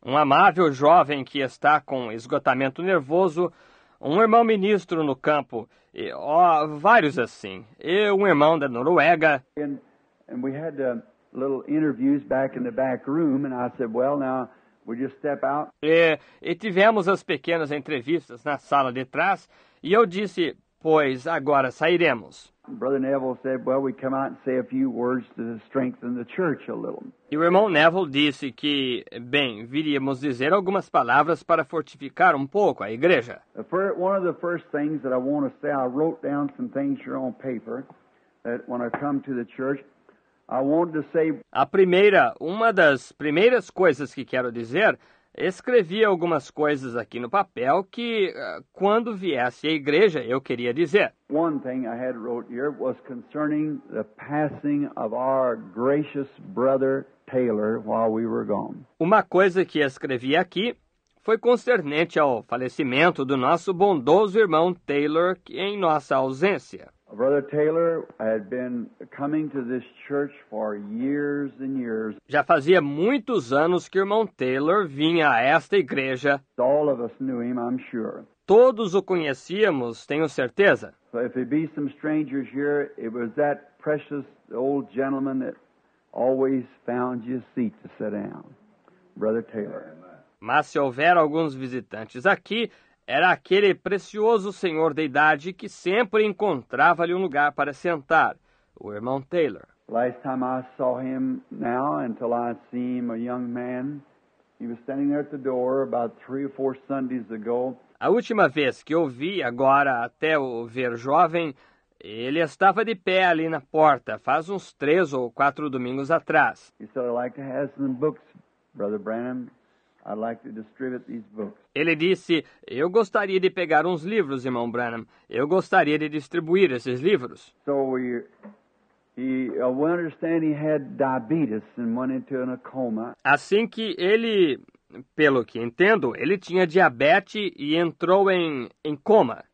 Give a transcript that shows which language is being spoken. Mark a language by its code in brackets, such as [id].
[pt] Um amável jovem que está com esgotamento nervoso, um irmão ministro no campo, e, vários assim, e um irmão da Noruega. [en] And we had little interviews back in the back room, and I said, well, now, we just step out. [pt] E tivemos as pequenas entrevistas na sala de trás, e eu disse, pois agora sairemos. [en] Brother Neville said, well, we come out and say a few words to strengthen the church a little. [pt] E o irmão Neville disse que, bem, viríamos dizer algumas palavras para fortificar um pouco a igreja. [en] One of the first things that I want to say, I wrote down some things here on paper, that when I come to the church, I wanted to say... [pt] Uma das primeiras coisas que quero dizer, escrevi algumas coisas aqui no papel que, quando viesse à igreja, eu queria dizer. [en] One thing I had wrote here was concerning the passing of our gracious brother Taylor while we were gone. [pt] Uma coisa que escrevi aqui foi concernente ao falecimento do nosso bondoso irmão Taylor em nossa ausência. [en] Brother Taylor had been coming to this church for years and years. [pt] Já fazia muitos anos que o irmão Taylor vinha a esta igreja. [en] All of us knew him, I'm sure. [pt] Todos o conhecíamos, tenho certeza. [en] So if there be some strangers here, it was that precious old gentleman that always found you a seat to sit down, Brother Taylor. [pt] Mas se houver alguns visitantes aqui, era aquele precioso senhor de idade que sempre encontrava-lhe um lugar para sentar, o irmão Taylor. [en] Last time I saw him now, until I see him, a young man, he was standing there at the door about 3 or 4 Sundays ago. [pt] A última vez que eu vi, agora até o ver jovem, ele estava de pé ali na porta, faz uns 3 or 4 domingos atrás. [en] He said, I'd like to have some books, Brother Branham. I'd like to distribute these books. [pt] Ele disse, eu gostaria de pegar uns livros, irmão Branham. Eu gostaria de distribuir esses livros. [en] So we understand he had diabetes and went into a coma. [pt] Assim que ele, pelo que entendo, ele tinha diabetes e entrou em coma.